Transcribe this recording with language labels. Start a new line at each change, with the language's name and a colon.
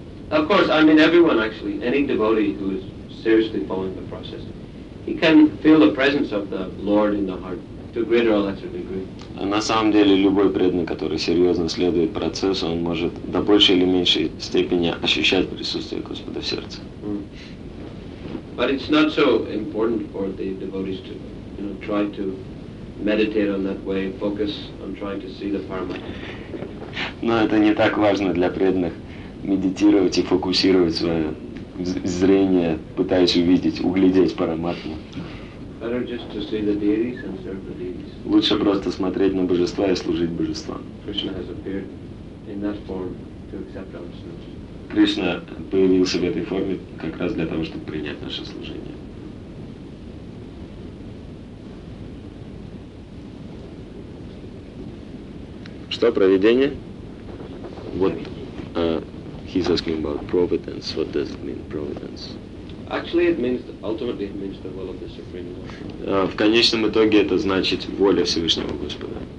English: Of course, I mean everyone actually, any devotee who is seriously following the process, he can feel the presence of the Lord in the heart to a greater or lesser degree.
Russian: А на самом деле любой преданный, который серьезно следует процессу, он может до большей или меньшей степени ощущать присутствие Господа в сердце.
English: But it's not so important for the devotees to, you know, try to meditate on that way, focus on trying to see the Parama.
Russian: Но это не так важно для преданных медитировать и фокусировать свое зрение, пытаясь увидеть, углядеть Параматму.
English: Better just to see the deities and serve the deities.
Russian: Лучше просто смотреть на божества и служить божествам.
English: Krishna has appeared in that form to accept our service.
Russian: Кришна появился в этой форме как раз для того, чтобы принять наше служение. Что провидение?
English: What he's asking about providence. What does it mean, providence? Actually, it means ultimately it means the will of the Supreme Lord.
Russian: В конечном итоге это значит воля Всевышнего Господа.